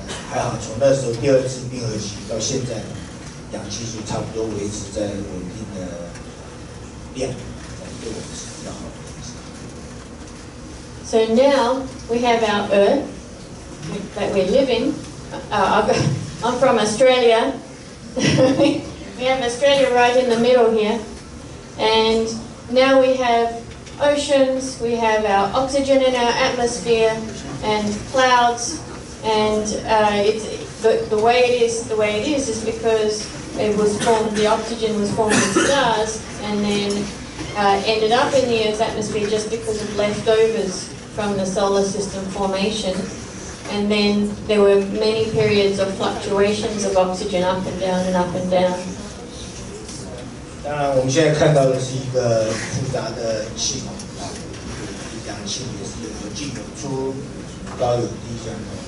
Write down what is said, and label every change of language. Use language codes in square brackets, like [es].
[zh] 还好从那时候第二次冰河期到现在，氧气就差不多维持在稳定的量，对我们是比较好。 [en] So now we have our Earth that we live in. I'm from Australia. We have Australia right in the middle here. And now we have oceans, we have our oxygen in our atmosphere, and clouds. And it's, the way it is because it was formed, the oxygen was formed in stars and then ended up in the Earth's atmosphere just because of leftovers from the solar system formation, and then there were many periods of fluctuations of oxygen up and down and up and down. [zh] 当然，我们现在看到的是一个复杂的气孔啊，氧气也是有进有出，高有低这样的。